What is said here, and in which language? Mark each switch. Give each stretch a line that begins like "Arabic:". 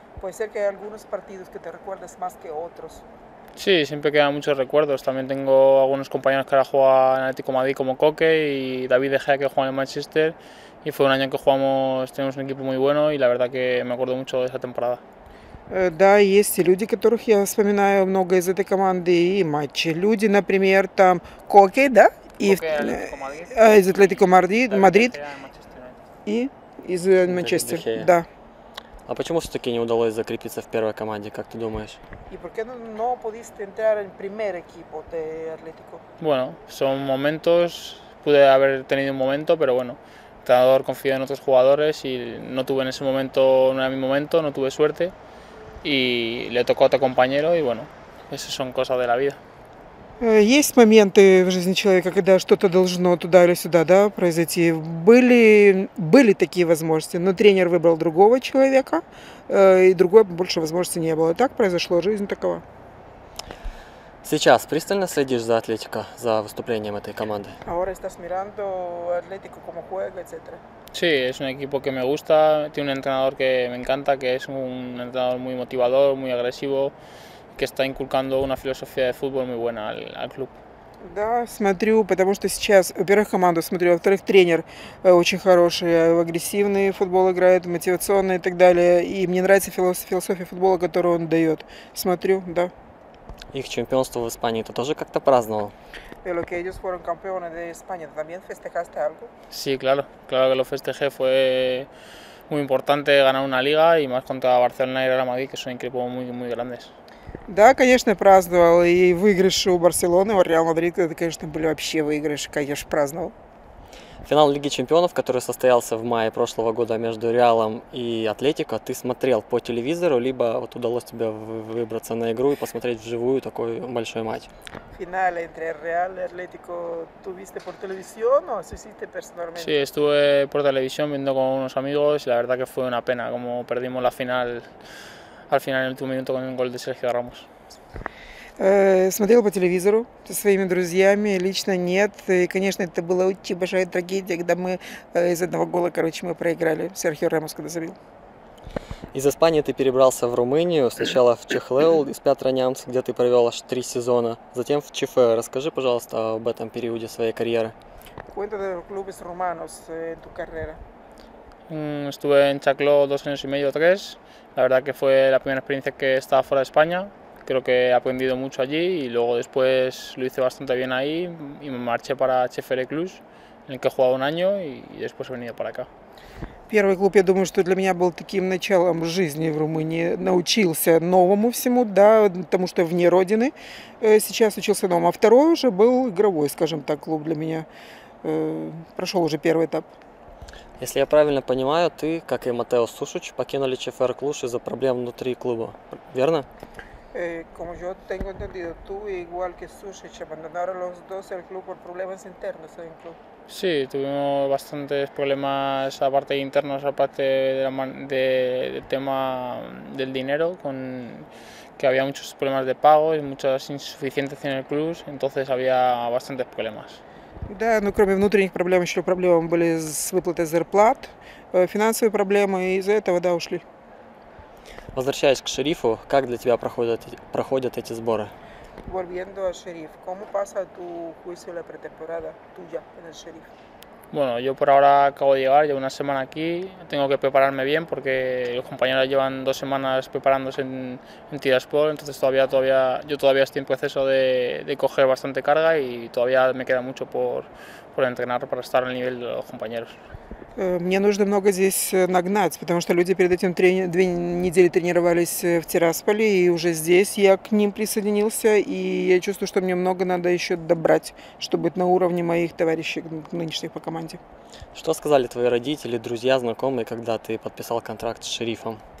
Spanish: Puede ser que hay algunos partidos que te recuerdes más que otros. Sí, siempre quedan muchos recuerdos. También tengo algunos compañeros que ahora juegan en Atlético Madrid como Coque y David De Gea que juega en Manchester. Y fue un año que jugamos, tenemos un equipo muy bueno y la verdad que me acuerdo mucho de esa temporada.
Russian: Да, есть люди, которых я вспоминаю много из этой команды и матчи. Люди, например, там Коке, да? И из Атлетико Мадрид и из Манчестер, да. А почему все-таки не удалось закрепиться в первой команде, как ты думаешь? И почему не
Spanish: pudiste entrar en primer equipo de Atlético? Bueno, son momentos, pude haber tenido un momento, pero bueno, el entrenador confió en otros jugadores y no tuve en ese momento, no era mi momento, no tuve suerte y le tocó a otro compañero y bueno, esas son cosas de la vida.
Russian: Есть моменты в жизни человека, когда что-то должно туда или сюда, да, произойти. Были такие возможности, но тренер выбрал другого человека, и другой больше возможности не было. Так произошло, жизнь такова. Сейчас пристально следишь за Атлетико, за выступлением этой команды?
Spanish: Ahora estás mirando Atlético como juega, etc. Sí, es un equipo que me gusta, tiene un entrenador que me encanta, que es un entrenador muy motivador, muy agresivo. Que está inculcando una filosofía de fútbol muy buena al club.
Russian: Да, смотрю, потому что сейчас, во-первых, команду смотрю, во-вторых, тренер очень хороший, агрессивный футбол играет, мотивационный и так далее. И мне нравится философия футбола, которую он дает. Смотрю, да. Их чемпионство в Испании ты тоже как-то праздновал?
Spanish: De lo que ellos fueron campeones de España, ¿también festejaste algo? Sí, claro, claro que lo festejé, fue muy importante ganar una liga y más contra Barcelona y Real Madrid, que son equipos muy, muy grandes.
Russian: Да, конечно, праздновал и выигрыш у Барселоны, у Реал Мадрид, это, конечно, были вообще выигрыши, конечно, праздновал. Финал Лиги Чемпионов, который состоялся в мае прошлого года между Реалом и Атлетико, ты смотрел по телевизору, либо вот удалось тебе выбраться на игру и посмотреть вживую такой большой матч?
Spanish: Финал entre Real и Атлетико,
Russian: ты
Spanish: viste por televisión o asististe personalmente? Sí, estuve por televisión viendo con unos amigos y la verdad que fue una pena como perdimos la final. Al final, en el último minuto, con un gol de Sergio Ramos.
Russian: Смотрел по телевизору со своими друзьями, лично нет. И, конечно, это была очень большая трагедия, когда мы из одного гола, короче, мы проиграли. Серхио Рамос когда забил. Из Испании ты перебрался в Румынию, сначала в Чехлел из Пятра Нямц, где ты провел аж 3 сезона, затем в ЧФ. Расскажи, пожалуйста, об этом периоде своей карьеры.
Spanish: Cuéntame de los clubes rumanos en tu carrera. Estuve en Chacló 2 años y medio, 3. La verdad que fue la primera experiencia que estaba fuera de España. Creo que he aprendido mucho allí y luego después lo hice bastante bien ahí y me marché para Chefere Cluj, en el que he jugado 1 año y después he venido para acá.
Russian: Первый клуб, я думаю, что для меня был таким началом жизни в Румынии. Научился новому всему, да, потому что вне родины сейчас учился новому. А второй уже был игровой, скажем так, клуб для меня. Прошел уже первый этап. Если я правильно понимаю, ты, как и Матео Сушич, покинули ЧФР Клуж из-за проблем внутри клуба, верно?
Spanish: Como yo tengo entendido, tú igual que Сушич abandonaron los dos el club por problemas internos en el club. Sí, tuvimos bastantes problemas aparte de internos, aparte del tema del dinero, con que había muchos problemas de pago y muchas insuficiencias en el club, entonces había bastantes problemas.
Russian: Да, ну кроме внутренних проблем, еще проблемы были с выплатой зарплат, финансовые проблемы, и из-за этого, да, ушли. Возвращаясь к Шерифу, как для тебя проходят эти сборы?
Spanish: Volviendo a Sheriff, ¿cómo pasa tu juicio de la pretemporada tuya en el Sheriff? Bueno, yo por ahora acabo de llegar, llevo 1 semana aquí, tengo que prepararme bien porque los compañeros llevan 2 semanas preparándose en Tiraspol, entonces yo todavía estoy en proceso de coger bastante carga y todavía me queda mucho por entrenar para estar al nivel de los compañeros.
Russian: Мне нужно много здесь нагнать, потому что люди перед этим 2 недели тренировались в Тирасполе, и уже здесь я к ним присоединился, и я чувствую, что мне много надо еще добрать, чтобы быть на уровне моих товарищей нынешних по команде. Что сказали твои родители, друзья, знакомые, когда ты подписал контракт с Шерифом?